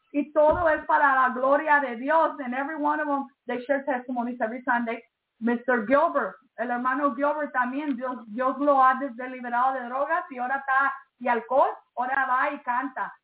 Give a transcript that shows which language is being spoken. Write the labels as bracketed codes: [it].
[es] Y todo es para la gloria de Dios. [en] And every one of them, they share testimonies every Sunday. Mr. [es] Gilbert, el hermano Gilbert también, Dios lo ha deliberado de drogas y ahora está, y alcohol, ahora va y canta.